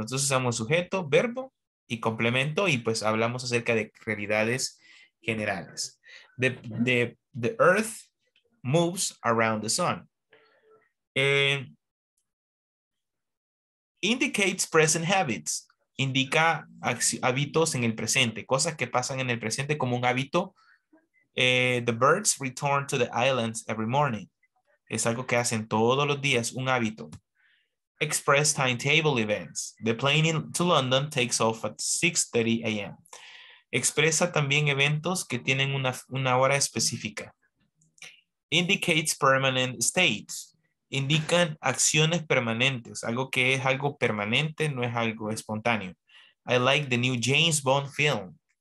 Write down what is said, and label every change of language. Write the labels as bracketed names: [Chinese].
[Spanish] Entonces usamos sujeto, verbo y complemento y pues hablamos acerca de realidades generales. [English] The earth moves around the sun. Indicates present habits. [Spanish] Indica hábitos en el presente, cosas que pasan en el presente como un hábito. [English] The birds return to the islands every morning. [Spanish] Es algo que hacen todos los días, un hábito. [English] Express timetable events. The plane to London takes off at 6:30 a.m. [Spanish] Expresa también eventos que tienen una hora específica. [English] Indicates permanent states. [Spanish] Indican acciones permanentes. Algo que es algo permanente, no es algo espontáneo. [English] I like the new James Bond film.